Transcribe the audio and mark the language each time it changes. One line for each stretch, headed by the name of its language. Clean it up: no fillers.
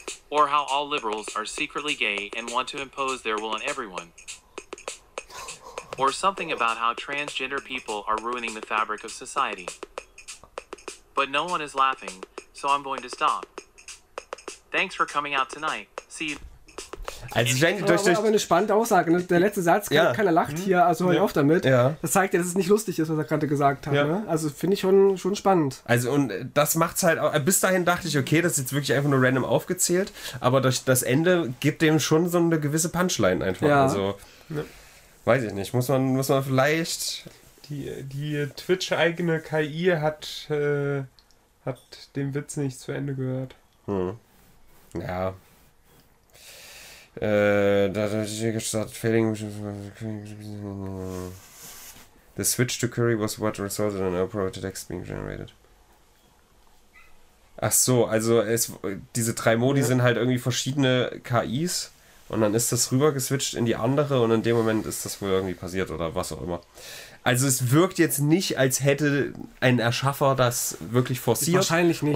English: Or how all liberals are secretly gay and want to impose their will on everyone. Or something about how transgender people are ruining the fabric of society. But no one is laughing, so I'm going to stop. Thanks for coming out tonight. See you.
German: Also ich denke, durch aber eine spannende Aussage. Ne? Der letzte Satz, ja. Keiner lacht hier, also hör auf damit. Ja. Das zeigt ja, dass es nicht lustig ist, was er gerade gesagt hat. Ja. Ne? Also finde ich schon spannend. Also und das macht es halt auch, bis dahin dachte ich, okay, das ist jetzt wirklich einfach nur random aufgezählt, aber durch das Ende gibt dem schon so eine gewisse Punchline einfach. Ja. Also, weiß ich nicht, muss man vielleicht... Die Twitch-eigene KI hat den Witz nicht zu Ende gehört. Hm. Ja. Da hatte ich gesagt, failing.
English: The switch to curry was what resulted in our private text being generated.
German: Ach so, also diese drei Modi sind halt irgendwie verschiedene KIs und dann ist das rüber geswitcht in die andere und in dem Moment ist das wohl irgendwie passiert oder was auch immer. Also es wirkt jetzt nicht, als hätte ein Erschaffer das wirklich forciert. Wahrscheinlich nicht.